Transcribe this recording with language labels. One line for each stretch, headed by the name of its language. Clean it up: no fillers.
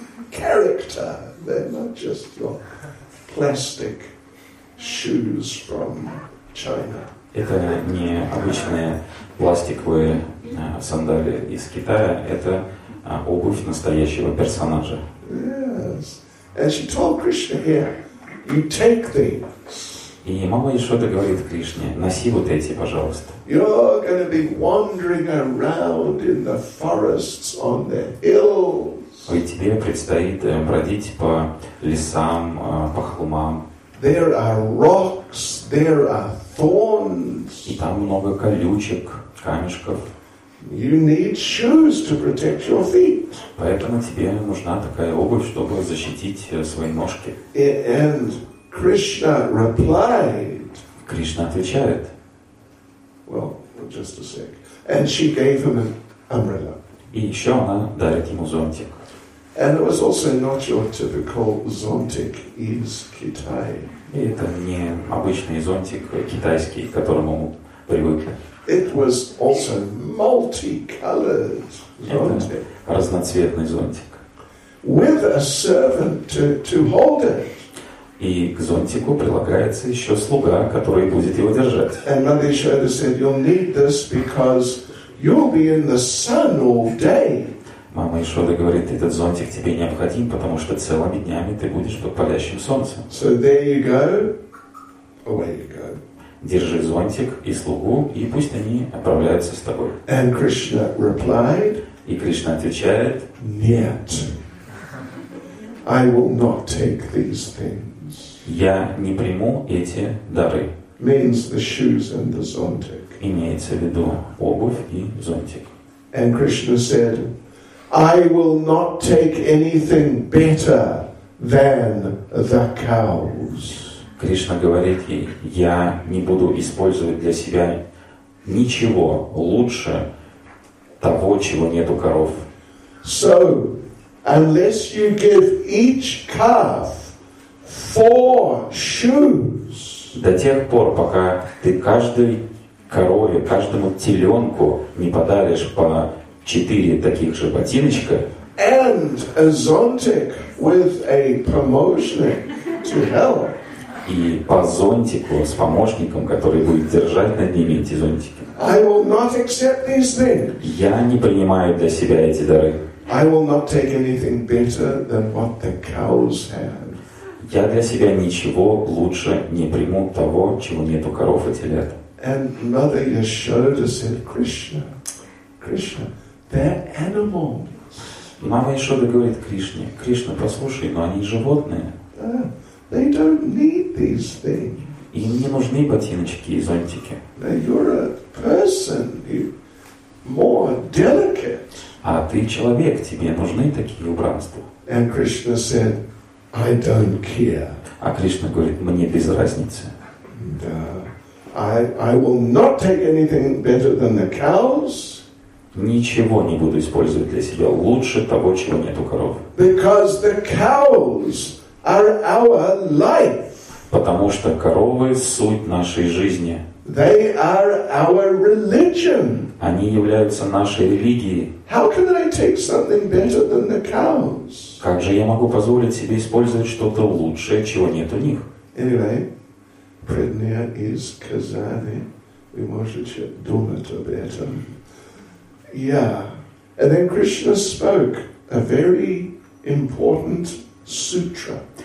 English: Character, they're not just your plastic shoes from China.
Russian: Это не обычные пластиковые сандалии из Китая, это обувь настоящего персонажа.
English: Yes. And she told Krishna here, you take these.
Russian: И мама Яшода говорит Кришне, носи вот эти, пожалуйста.
English: You're going to be wandering around in the forests on the hills.
Russian: И тебе предстоит бродить по лесам, по холмам.
English: There are rocks, there are thorns.
Russian: И там много колючек, камешков.
English: You need shoes to protect your feet.
Russian: Поэтому тебе нужна такая обувь, чтобы защитить свои ножки.
English: And Krishna replied.
Russian: Кришна отвечает.
English: Well, just a sec. And she gave him an umbrella.
Russian: И еще она дарит ему зонтик.
English: And it was also not your typical zontik
Russian: из Китая. И это не обычный зонтик китайский, к которому мы привыкли.
English: It was also multicolored zontik.
Russian: Разноцветный зонтик.
English: With a servant to hold it.
Russian: И к зонтику прилагается еще слуга, который будет его держать.
English: And Mother Yashoda said, "You'll need this because you'll be in the sun all day."
Russian: Мама Яшода говорит, этот зонтик тебе необходим, потому что целыми днями ты будешь под палящим солнцем.
English: So there you go. Away you go.
Russian: Держи зонтик и слугу, и пусть они отправляются с тобой.
English: And Krishna replied,
Russian: и Кришна отвечает,
English: нет, I will not take these things.
Russian: Я не приму эти дары.
English: Means the shoes and the zontik.
Russian: Имеется в виду обувь и зонтик.
English: And Krishna said, I will not take anything better than the cows.
Russian: Кришна говорит ей, я не буду использовать для себя ничего лучше того, чего нет у коров.
English: So, unless you give each calf four shoes.
Russian: До тех пор, пока ты каждой корове, каждому теленку не подаришь по четыре таких же ботиночка.
English: And a zontik with a помощник to help.
Russian: И по зонтику с помощником, который будет держать над ними эти зонтики.
English: I will not accept these things.
Russian: Я не принимаю для себя эти дары.
English: I will not take anything better than what the cows have.
Russian: Я для себя ничего лучше не приму того, чего нет у коров и телят.
English: And Mother Yashoda said, Krishna, they're animals.
Russian: Мама Яшода говорит Кришне, Кришна, послушай, но они животные.
English: They don't need these things.
Russian: Им не нужны ботиночки и зонтики.
English: You're a person, more delicate.
Russian: А ты человек, тебе нужны такие убранства.
English: And Krishna said, I don't care.
Russian: А Кришна говорит, мне без разницы.
English: I will not take anything better than the cows.
Russian: Ничего не буду использовать для себя лучше того, чего нет у коров.
English: Because the cows are our life.
Russian: Потому что коровы – суть нашей жизни.
English: They are our religion.
Russian: Они являются нашей религией.
English: How can I take something better than the cows?
Russian: Как же я могу позволить себе использовать что-то лучшее, чего нет у них?
English: Anyway, Pridnya
Russian: из Казани. Вы можете думать об этом.
English: Yeah, and then Krishna spoke a very important sutra.